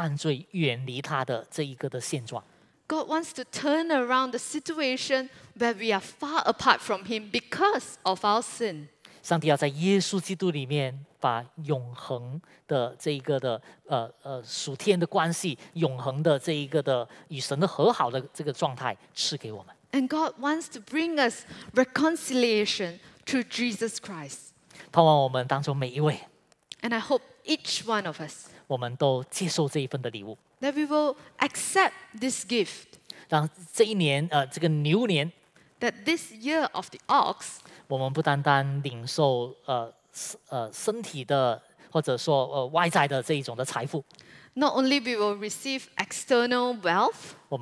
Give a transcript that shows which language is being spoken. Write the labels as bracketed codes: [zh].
[zh] 上帝要扭转我们因为犯罪远离他的这一个的现状。 [en] God wants to turn around the situation where we are far apart from Him because of our sin. [zh] 上帝要在耶稣基督里面把永恒的这一个的属天的关系，永恒的这一个的与神的和好的这个状态赐给我们。 [en] And God wants to bring us reconciliation through Jesus Christ. [zh] 盼望我们当中每一位。 [en] And I hope each one of us. [zh] 我们都接受这一份的礼物。 [en] That we will accept this gift. [zh] 让这一年, 这个牛年。 [en] That this year of the ox. [zh] 我们不单单领受 身体的或者说外在的这一种的财富。 [en] Not only we will receive external wealth.